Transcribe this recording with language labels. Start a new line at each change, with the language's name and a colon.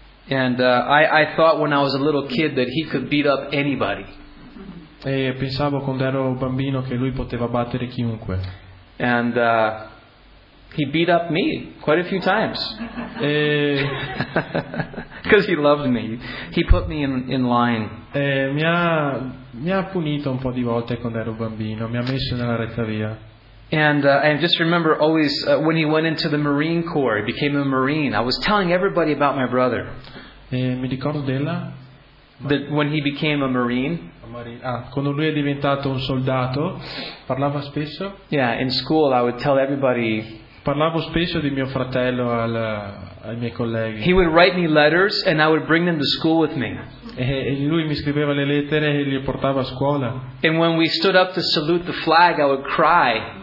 English: And I thought when I was a little kid that he could beat up anybody.
Italian: E pensavo quando ero bambino che lui poteva battere chiunque.
English: And he beat up me quite a few times. Because he loved me, he put me in line.
Italian: Mi ha punito un po' di volte quando ero bambino. Mi ha messo nella retta via.
English: And I just remember always when he went into the Marine Corps, he became a Marine. I was telling everybody about my brother.
Italian: Mi ricordo della
English: that when he became a Marine.
Italian: Quando lui è diventato un soldato, parlava spesso.
English: Yeah, in school I would tell everybody.
Italian: Parlavo spesso di mio fratello ai miei colleghi.
English: He would write me letters and I would bring them to school with me.
Italian: E lui mi scriveva le lettere e le portava a scuola.
English: And when we stood up to salute the flag, I would cry.